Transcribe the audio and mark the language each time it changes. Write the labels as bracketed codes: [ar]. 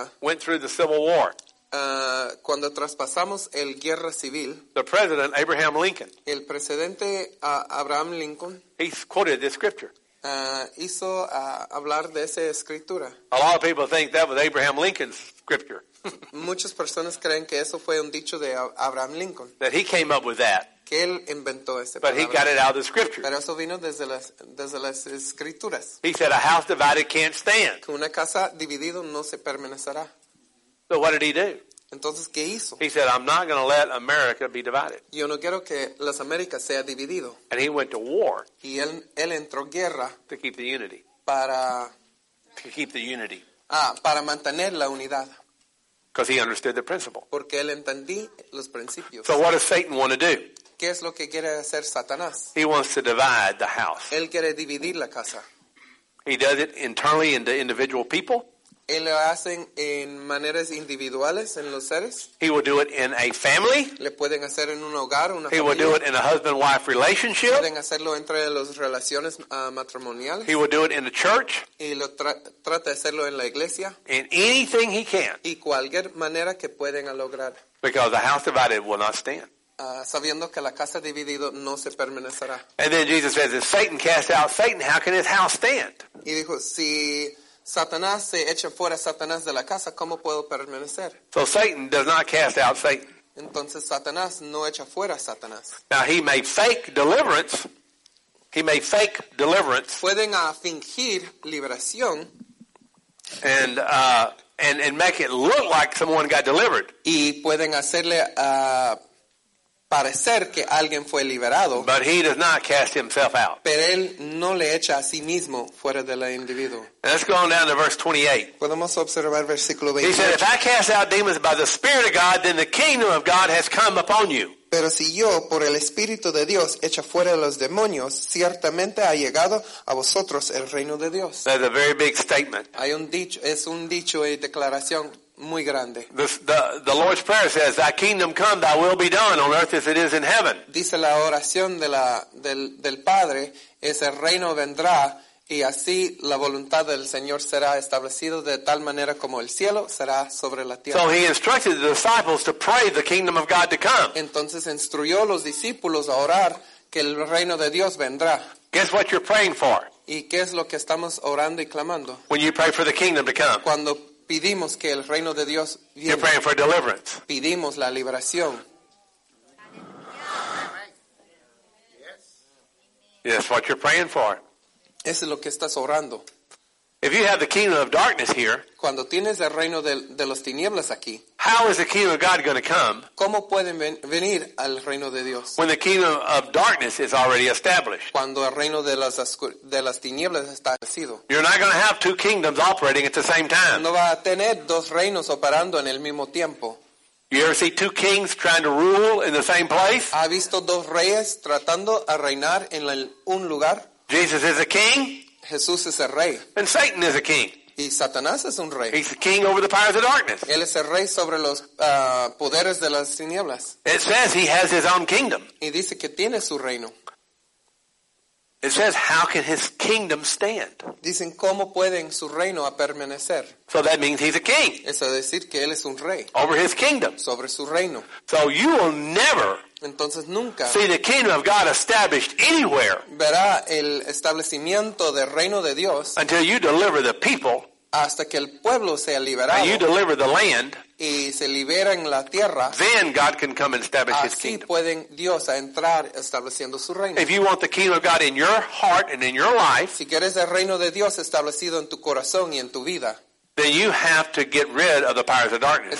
[en] went through the Civil War. [es] Cuando traspasamos el guerra civil, [en] the president, Abraham Lincoln, [es] el presidente Abraham Lincoln, [en] he quoted this scripture. [es] Hizo hablar de esa escritura. [en] A lot of people think that was Abraham Lincoln's scripture. [es] Muchas personas creen que eso fue un dicho de Abraham Lincoln. [en] That he came up with that. [es] Que él inventó ese [en] but he got it out of the scripture. [es] Pero eso vino desde las escrituras. [en] He said, a house divided can't stand. [es] Que una casa dividido no se permanecerá. [en] So what did he do? [es] Entonces, ¿qué hizo? [en] He said, I'm not going to let America be divided. [es] Yo no quiero que las Américas sea dividido. [en] And he went to war. [es] Y él entró guerra. [en] To keep the unity. [es] Para. [en] To keep the unity. [es] Para mantener la unidad. [en] Because he understood the principle. [es] Porque él entendí los principios. [en] So what does Satan want to do? [es] ¿Qué es lo que quiere hacer Satanás? [en] He wants to divide the house. [es] Él quiere dividir la casa. [en] He does it internally in the individual people. [es] Él lo hace en maneras individuales en los seres. [en] He will do it in a family. [es] Le pueden hacer en un hogar, una [en] he [es] familia. [en] Will do it in a husband-wife relationship. [es] Pueden hacerlo entre las relaciones matrimoniales. [en] He will do it in the church. [es] Y lo trata de hacerlo en la iglesia. [en] In anything he can. [es] Y cualquier manera que pueden lograr. [en] Because a house divided will not stand. [es] Sabiendo que la casa dividido no se permanecerá. [en] And then Jesus says, if Satan cast out Satan, how can his house stand? [es] Y dijo, si Satanás se echa fuera Satanás de la casa, ¿cómo puedo permanecer? [en] So Satan does not cast out Satan. [es] Entonces Satanás no echa fuera Satanás. [en] Now he may fake deliverance. He may fake deliverance. [es] Pueden fingir liberación. [en] And make it look like someone got delivered. [es] Y pueden hacerle parecer que alguien fue liberado. [en] But he does not cast himself out. [es] Pero él no le echa a sí mismo fuera del individuo. [en] And let's go on down to verse 28. [es] Podemos observar versículo 28. [en] He said, if I cast out demons by the Spirit of God, then the kingdom of God has come upon you. [es] Pero si yo, por el Espíritu de Dios, echa fuera los demonios, ciertamente ha llegado a vosotros el reino de Dios. [en] That's a very big statement. [es] Hay un dicho, es un dicho y declaración. Muy grande. [en] The Lord's Prayer says, "Thy kingdom come, Thy will be done on earth as it is in heaven." [es] Dice la oración de la del Padre es el reino vendrá y así la voluntad del Señor será establecido de tal manera como el cielo será sobre la tierra. [en] So he instructed the disciples to pray the kingdom of God to come. [es] Entonces instruyó los discípulos a orar que el reino de Dios vendrá. [en] Guess what you're praying for? [es] ¿Y qué es lo que estamos orando y clamando? [en] When you pray for the kingdom to come. [es] Cuando pedimos que el reino de Dios viene. [en] You're praying for deliverance. [es] Pedimos la liberación. [en] Yes, what you're praying for. [es] Eso es lo que estás orando. [en] If you have the kingdom of darkness here, [es] cuando tienes el reino de los tinieblas aquí, [en] how is the kingdom of God going to come? [es] ¿Cómo pueden venir al reino de Dios? [en] When the kingdom of darkness is already established. [es] Cuando el reino de las tinieblas está establecido. [en] You're not going to have two kingdoms operating at the same time. [es] No va a tener dos reinos operando en el mismo tiempo. [en] You ever see two kings trying to rule in the same place? [es] ¿Ha visto dos reyes tratando a reinar en un lugar? [en] Jesus is a king. [es] Jesús es el rey. [en] And Satan is a king. [es] Y Satanás es un rey. [en] He's the king over the powers of darkness. [es] Él es el rey sobre los poderes de las tinieblas. [en] It says he has his own kingdom. [es] Y dice que tiene su reino. [en] It says how can his kingdom stand? [es] Dicen cómo pueden su reino a permanecer. [en] So that means he's a king. [es] Es decir que él es un rey. [en] Over his kingdom. [es] Sobre su reino. [en] So you will never. [es] Entonces, nunca [en] see the kingdom of God established anywhere. [es] Verá el establecimiento del reino de Dios. [en] Until you deliver the people. [es] Hasta que el pueblo sea liberado. [en] And you deliver the land. [es] Y se libera en la tierra. [en] Then God can come and establish his kingdom. [es] Así pueden Dios a entrar estableciendo su reino. [en] If you want the kingdom of God in your heart and in your life. [es] Si quieres el reino de Dios establecido en tu corazón y en tu vida. [en] then you have to get rid of the powers of darkness.